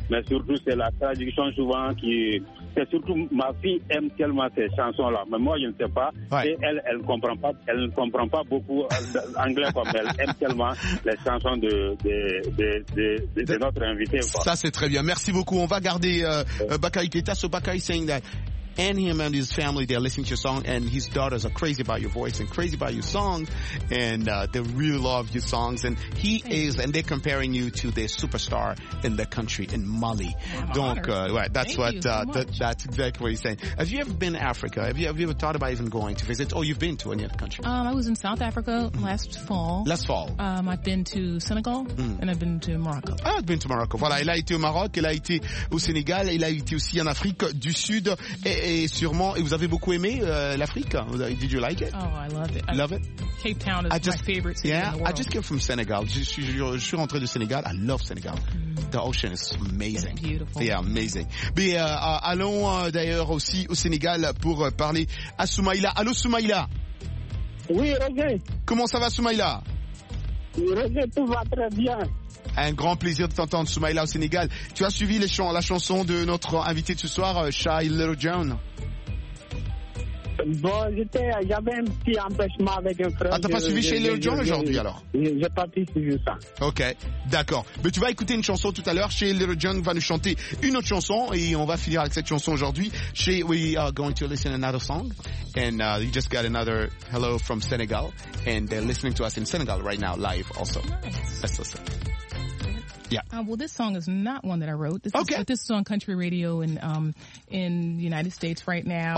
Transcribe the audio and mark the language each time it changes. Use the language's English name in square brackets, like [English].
[French] Mais surtout, c'est la traduction souvent qui. C'est surtout ma fille aime tellement ces chansons-là. Mais moi, je ne sais pas. Ouais. Et elle ne comprend pas beaucoup l'anglais, quoi. Mais elle aime tellement les chansons de notre invité, quoi. Ça, c'est très bien. Merci beaucoup. On va garder Bakary Keita. [English] So, Bakary saying that. And him and his family, they're listening to your song, and his daughters are crazy about your voice and crazy about your song, and they really love your songs. And he is, and they're comparing you to the superstar in the country, in Mali. That's what he's saying. Have you ever been to Africa? Have you ever thought about even going to visit? Or you've been to any other country? I was in South Africa last fall. Last fall. I've been to Senegal and I've been to Morocco. Ah, I've been to Morocco. [French] Voilà, il a été au Maroc, il a été au Sénégal, il a été aussi en Afrique du Sud. Et sûrement, vous avez beaucoup aimé l'Afrique. [English] Did you like it? Oh, I loved it. Love it? Cape Town is my favorite city in the world. I just came from Senegal. [French] Je suis rentré du Sénégal. [English] I love Senegal. The ocean is amazing. It's beautiful. Yeah, amazing. [French] Mais allons d'ailleurs aussi au Sénégal pour parler à Soumaïla. Allô, Soumaïla. Oui, Roger. Comment ça va, Soumaïla? Roger, tout va très bien. Un grand plaisir de t'entendre, Soumaïla, au Sénégal. Tu as suivi la chanson de notre invité de ce soir, Shy Little John. Bon, j'avais un petit empêchement avec un frère. Ah, t'as pas suivi Shy Little John aujourd'hui, alors? J'ai pas pu suivre ça. Ok, d'accord. Mais tu vas écouter une chanson tout à l'heure. Shy Little John va nous chanter une autre chanson et on va finir avec cette chanson aujourd'hui. [English] Shy, we are going to listen to another song. And you just got another hello from Senegal. And they're listening to us in Senegal right now, live also. Nice. Let's listen. Yeah. Well, this song is not one that I wrote. This is on country radio in the United States right now.